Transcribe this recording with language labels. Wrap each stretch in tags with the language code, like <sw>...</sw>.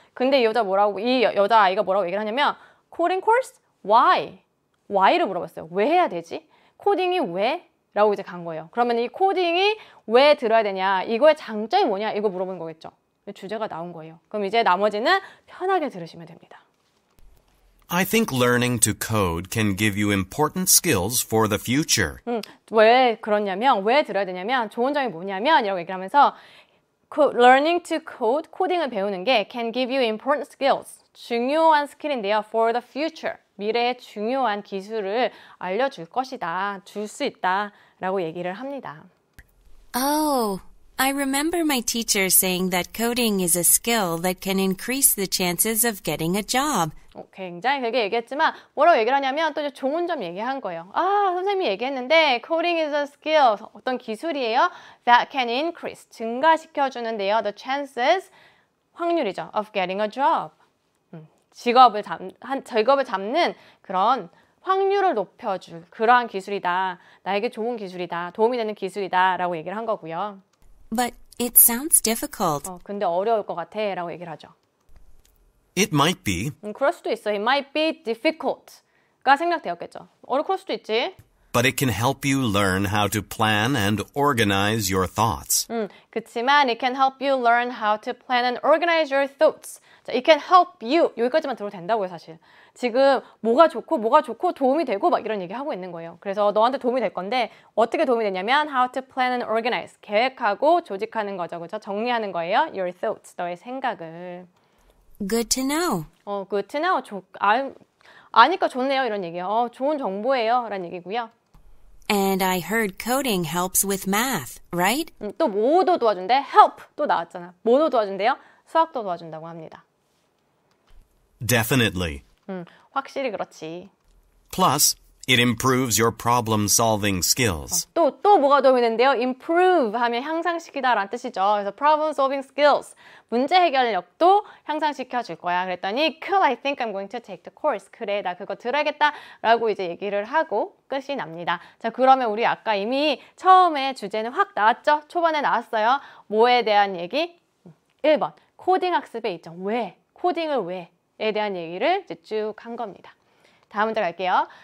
<ko>근데 이 여자아이가 뭐라고 얘기를 하냐면 코딩 코스? Why? Why를 물어봤어요. 왜 해야 되지? 코딩이 왜? 라고 이제 간 거예요. 그러면 이 코딩이 왜 들어야 되냐? 이거의 장점이 뭐냐? 이거 물어보는 거겠죠. 주제가 나온 거예요. 그럼 이제 나머지는 편하게 들으시면 됩니다.</ko> <en>I think learning to code can give you important skills for the future.</en> <ko>왜 그러냐면, 왜 들어야 되냐면, 좋은 점이 뭐냐면, 이라고 얘기를 하면서</ko> <en>learning to code,</en> <ko>코딩을 배우는 게</ko> <en>can give you important skills,</en> <ko>중요한 스킬인데요.</ko> <en>For the future,</en> <ko>미래에 중요한 기술을 알려줄 것이다, 줄 수 있다, 라고 얘기를 합니다.</ko> <en>Oh, I remember my teacher saying that coding is a skill that can increase the chances of getting a job.</en> <ko>굉장히 길게 얘기했지만 뭐라고 얘기를 하냐면 또 좋은 점 얘기한 거예요. 아, 선생님이 얘기했는데</ko> <en>coding is a skill,</en> <ko>어떤 기술이에요.</ko> <en>That can increase,</en> <ko>증가시켜주는데요.</ko> <en>The chances,</en> <ko>확률이죠.</ko> <en>Of getting a job.</en> <ko>직업을 잡는 그런 확률을 높여줄 그러한 기술이다. 나에게 좋은 기술이다. 도움이 되는 기술이다. 라고 얘기를 한 거고요.</ko> <en>But it sounds difficult.</en> <ko>근데 어려울 것 같아. 라고 얘기를 하죠.</ko> <en>It might be.</en> <ko>그럴 수도 있어.</ko> <en>It might be difficult.</en> <ko>가 생각되었겠죠. 어려울 수도 있지.</ko> <en>But it can help you learn how to plan and organize your thoughts.</en> <ko>그치만</ko> <en>it can help you learn how to plan and organize your thoughts. 자, it can help you.</en> <ko>여기까지만 들어도 된다고요, 사실. 지금 뭐가 좋고 도움이 되고 막 이런 얘기하고 있는 거예요. 그래서 너한테 도움이 될 건데 어떻게 도움이 되냐면</ko> <en>how to plan and organize.</en> <ko>계획하고 조직하는 거죠, 그렇죠? 정리하는 거예요.</ko> <en>Your thoughts.</en> <ko>너의 생각을.</ko> <en>Good to know. Good to know.</en> <ko>아니까 좋네요. 이런 얘기예요. 좋은 정보예요. 라는 얘기고요.</ko> <en>And I heard coding helps with math, right?</en> <ko>또 뭐도 도와준대? Help! 또 나왔잖아. 뭐도 도와준대요? 수학도 도와준다고 합니다.</ko> <en>Definitely.</en> <ko>확실히 그렇지.</ko> <en>Plus, it improves your problem-solving skills.</en> <ko>또 뭐가 도움이 되는데요? Improve 하면 향상시키다 라는 뜻이죠. 그래서</ko> <en>problem-solving skills,</en> <ko>문제 해결력도 향상시켜줄 거야. 그랬더니,</ko> <en>cool, I think I'm going to take the course.</en> <ko>그래, 나 그거 들어야겠다 라고 이제 얘기를 하고 끝이 납니다. 자, 그러면 우리 아까 이미 처음에 주제는 확 나왔죠? 초반에 나왔어요. 뭐에 대한 얘기? 1번, 코딩 학습의 이점. 왜? 코딩을 왜? 에 대한 얘기를 이제 쭉 한 겁니다. 다음 문제 갈게요.</ko>